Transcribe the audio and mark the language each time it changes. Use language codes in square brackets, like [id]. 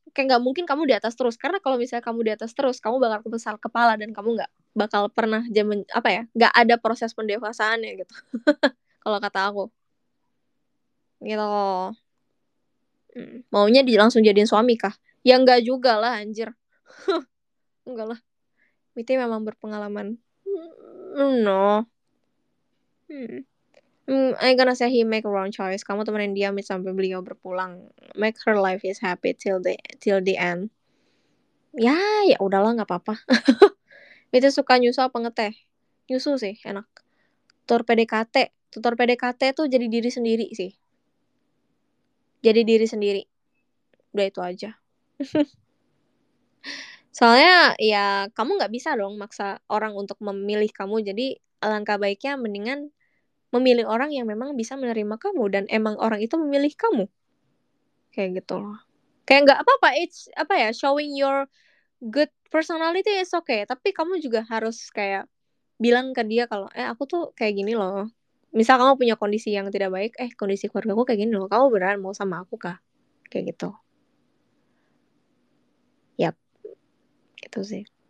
[id] Kayak gak mungkin kamu di atas terus. Karena kalau misalnya kamu di atas terus, kamu bakal kebesar kepala dan kamu gak bakal pernah, apa ya, gak ada proses pendewasaannya gitu. Kalau kata aku. Gitu. Maunya langsung jadiin suami kah? Ya gak juga lah, anjir. Enggak lah. Mitnya memang berpengalaman. [en] No. I'm gonna say he make a wrong choice. [id] Kamu temenin dia Mit sampai beliau berpulang. [en] Make her life is happy till the end. [id] Ya, ya udahlah, nggak apa-apa. Mitnya suka nyusu apa ngeteh? Nyusu sih, enak. Tutor PDKT tuh jadi diri sendiri sih. Jadi diri sendiri. Udah itu aja. Soalnya ya kamu gak bisa dong maksa orang untuk memilih kamu. Jadi alangkah baiknya mendingan memilih orang yang memang bisa menerima kamu. Dan emang orang itu memilih kamu. Kayak gitu loh. Kayak gak apa-apa. [en] It's [id] apa ya, [en] showing your good personality is okay. [id] Tapi kamu juga harus kayak bilang ke dia kalau aku tuh kayak gini loh. Misal kamu punya kondisi yang tidak baik. Kondisi keluarga aku kayak gini loh. Kamu beneran mau sama aku kah? Kayak gitu. Itu sih.